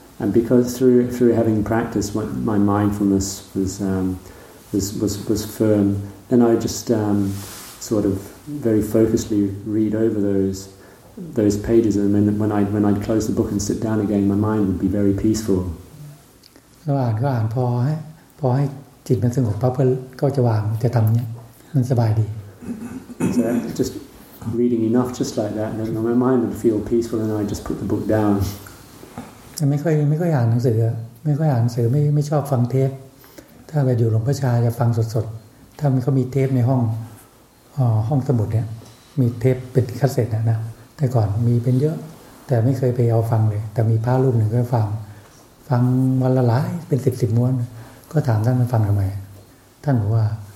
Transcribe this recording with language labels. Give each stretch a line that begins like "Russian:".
English: And because through having practiced, my mindfulness was firm, then I just sort of very focusedly read over those pages, and then when I'd close the book and sit down again, my mind would be very peaceful.
Thai: เราอ่านก็อ่านพอให้จิตมันสงบปั๊บก็จะวางจะทำเนี้ยมันสบายดี
English: So just reading enough just like that, and then my mind would feel peaceful, and I just put the book down.
Thai: ไม่ค่อยอ่านหนังสือไม่ค่อยอ่านหนังสือไม่ชอบฟังเทปถ้าไปอยู่หลวงพ่อชาจะฟังสดๆถ้ามันเขามีเทปในห้องสมุดเนี่ยมีเทปเป็นคาสเซ็ตนะแต่ก่อนมีเป็นเยอะแต่ไม่เคยไปเอาฟังเลยแต่มีพระรูปหนึ่งก็ฟังวันละหลายเป็นสิบม้วนก็ถามท่านมันฟังทำไมท่านบอกว่า